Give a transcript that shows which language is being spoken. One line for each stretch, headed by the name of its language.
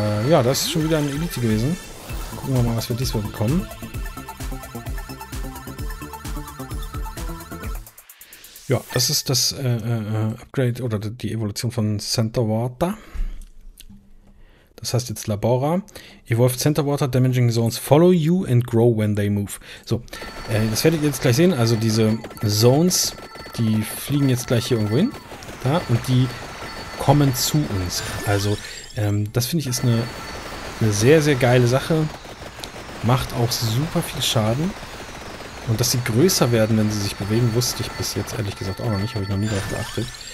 German: Ja, das ist schon wieder eine Elite gewesen. Gucken wir mal, was wir diesmal bekommen. Ja, das ist das Upgrade oder die Evolution von Centerwater. Das heißt jetzt Labora.
English: Evolve Centerwater, Damaging Zones follow you and grow when they move.
German: So, das werdet ihr jetzt gleich sehen. Also diese Zones, die fliegen jetzt gleich hier irgendwo hin. Da, und die kommen zu uns. Also das finde ich ist eine sehr, sehr geile Sache. Macht auch super viel Schaden. Und dass sie größer werden, wenn sie sich bewegen, wusste ich bis jetzt ehrlich gesagt auch noch nicht. Habe ich noch nie darauf geachtet.